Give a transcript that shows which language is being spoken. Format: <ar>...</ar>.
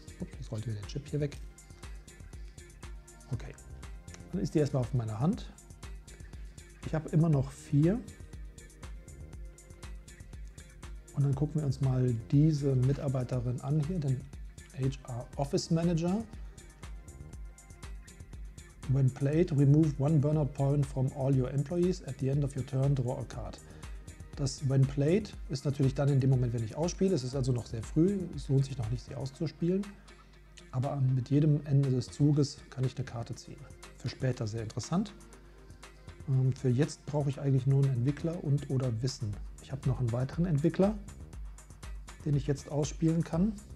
<de>Jetzt rollt mir den Chip hier weg. Okay, dann ist die erstmal auf meiner Hand. Ich habe immer noch 4 und dann gucken wir uns mal diese Mitarbeiterin an hier, den HR Office Manager.</de> <en>When played, remove one burnout point from all your employees. At the end of your turn, draw a card.</en> <de>Das When Played ist natürlich dann in dem Moment, wenn ich ausspiele. Es ist also noch sehr früh, es lohnt sich noch nicht, sie auszuspielen. Aber mit jedem Ende des Zuges kann ich eine Karte ziehen. Für später sehr interessant. Für jetzt brauche ich eigentlich nur einen Entwickler und oder Wissen. Ich habe noch einen weiteren Entwickler, den ich jetzt ausspielen kann.</de>